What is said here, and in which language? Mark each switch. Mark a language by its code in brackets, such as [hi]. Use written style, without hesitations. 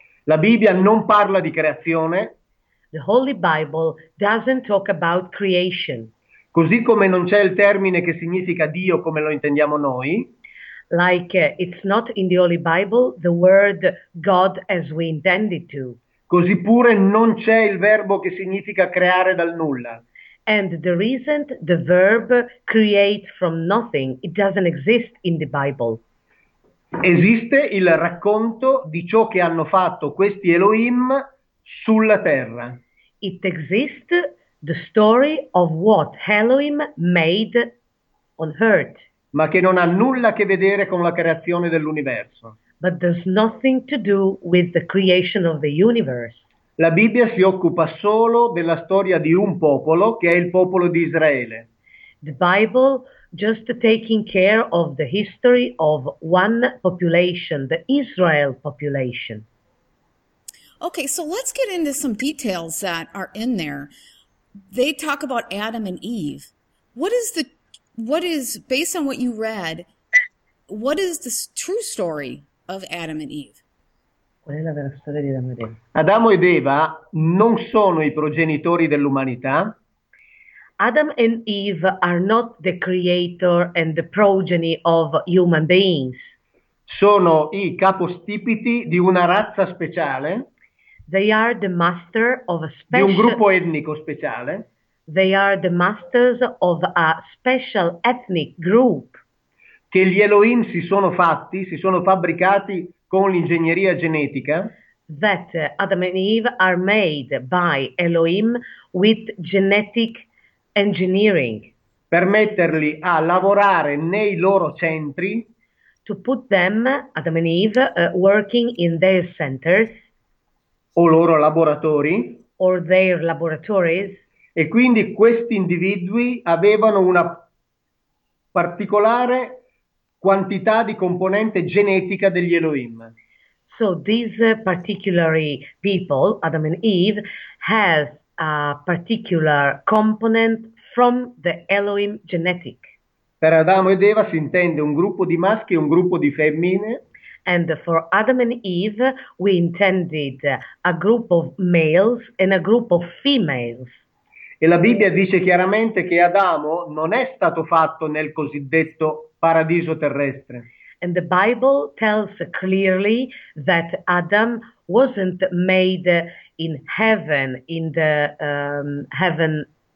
[it] La Bibbia non parla di creazione. [en] The Holy Bible doesn't talk about creation. [it] Così come non c'è il termine che significa Dio come lo intendiamo noi. [en] Like it's not in the Holy Bible the word God as we intended to. [it] Così pure non c'è il verbo che significa creare dal nulla. [en] And there isn't the verb create from nothing. It doesn't exist in the Bible. [it] Esiste il racconto di ciò che hanno fatto questi Elohim sulla terra. [en] It exists the story of what Elohim made on earth. [it] Ma che non ha nulla a che vedere con la creazione dell'universo. [en] But there's nothing to do with the creation of the universe. [it] La Bibbia si occupa solo della storia di un popolo, che è il popolo di Israele. [en] The Bible just taking care of the history of one population, the Israel population. Okay, so let's get into some details that are in there. They talk about Adam and Eve. What is, based on what you read, what is the true story of Adam and Eve? [it] Qual è la vera storia di Adamo ed Eva? Adamo ed Eva non sono i progenitori dell'umanità. [en] Adam and Eve are not the creator and the progeny of human beings. [it] Sono i capostipiti di una razza speciale. [en] They are the master of a special... [it] Di un gruppo etnico speciale. [en] They are the masters of a special ethnic group. [it] Che gli Elohim si sono fatti, si sono fabbricati con l'ingegneria genetica. [en] That Adam and Eve are made by Elohim with genetic engineering. [it] Permetterli a lavorare nei loro centri. [en] To put them, Adam and Eve, working in their centers. [it] O loro laboratori. [en] Or their laboratories. [it] E quindi questi individui avevano una particolare quantità di componente genetica degli Elohim. [en] So these particular people, Adam and Eve, has a particular component from the Elohim genetic. [it] Per Adamo ed Eva si intende un gruppo di maschi e un gruppo di femmine. [en] And for Adam and Eve we intended a group of males and a group of females. [it] E la Bibbia dice chiaramente che Adamo non è stato fatto nel cosiddetto paradiso terrestre. [en] And the Bible tells clearly that Adam wasn't made in heaven, in the heaven.